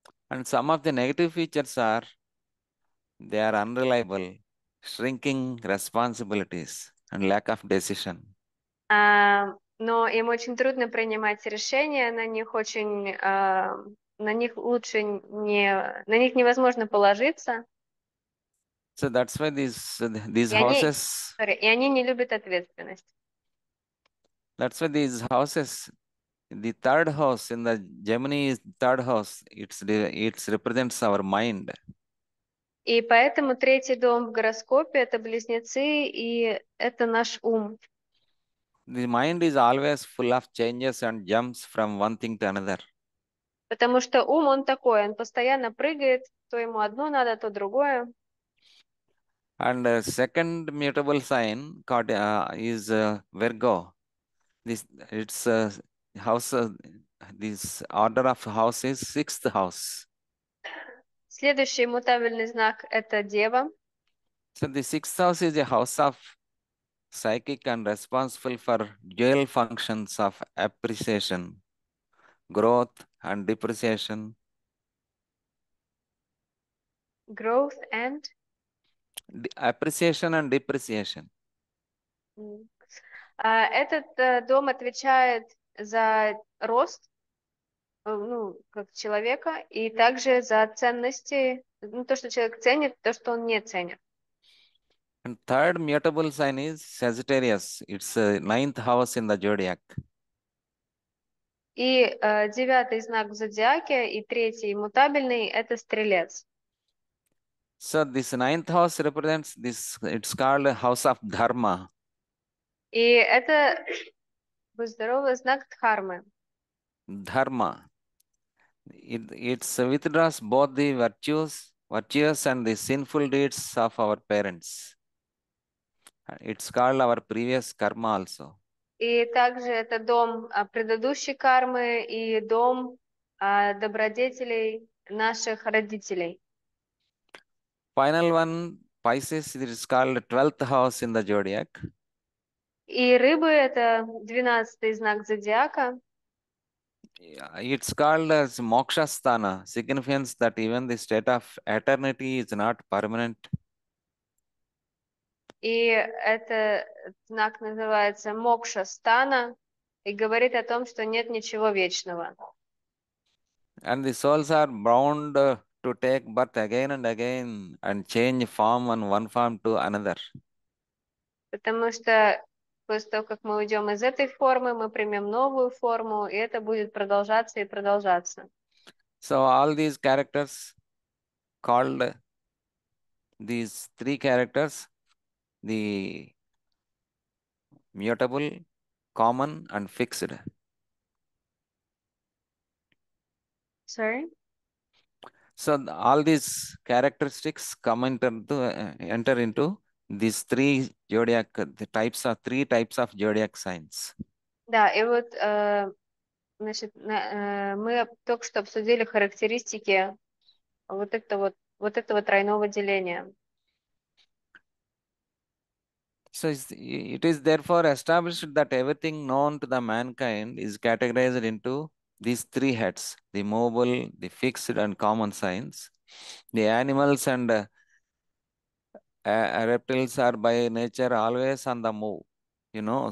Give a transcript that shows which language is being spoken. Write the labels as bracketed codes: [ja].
[en] And some of the negative features are they are unreliable, shrinking responsibilities, and lack of decision. [ru] Но им очень трудно принимать решения, на них очень, на них лучше не, на них невозможно положиться. [en] So that's why these [ru] И они [en] houses, [ru] не любят ответственность. [en] that's why these houses, the third house in the Gemini is third house, it's represents our mind. [ru] И поэтому третий дом в гороскопе — это близнецы, и это наш ум. [en] The mind is always full of changes and jumps from one thing to another. [ru] Потому что ум, он такой, он постоянно прыгает, то ему одно надо, то другое. [en] And the second mutable sign called is Virgo. This it's house this order of house is sixth house. [ru] Следующий мутабельный знак — это Дева. [en] So the sixth house is a house of psychic and responsible for dual functions of appreciation, growth and depreciation. Growth and Appreciation and depreciation. [ru] Этот дом отвечает за рост, ну, как человека, и также за ценности, ну, то, что человек ценит, то, что он не ценит. [en] And third mutable sign is Sagittarius. It's a ninth house in the zodiac. [ru] И девятый знак в зодиаке, и третий мутабельный — это стрелец. [en] So this ninth house represents this, it's called a house of dharma. [ru] И это будь здоровый знак дхармы. [en] Dharma. It withdraws both the virtuous and the sinful deeds of our parents. It's called our previous karma also. [ru] И также это дом предыдущей кармы и дом добродетелей наших родителей. [en] Final one, Pisces, it is called 12th house in the zodiac. [ru] И рыбы — это 12-й знак зодиака. [en] It's called as Mokshasthana, significance that even the state of eternity is not permanent. [ru] И этот знак называется Мокша-стана и говорит о том, что нет ничего вечного. [en] And the souls are bound to take birth again and again and change form on one form to another. [ru] Потому что после того, как мы уйдем из этой формы, мы примем новую форму, и это будет продолжаться и продолжаться. [en] So all these characters called these three characters the mutable, common and fixed. Sorry. So all these characteristics come enter into these three zodiac types of three types of zodiac signs. [ru] Да, и вот значит, мы только что обсудили характеристики вот этого тройного деления. [en] So it is therefore established that everything known to the mankind is categorized into these three heads, the mobile, the fixed and common signs. The animals and reptiles are by nature always on the move, you know.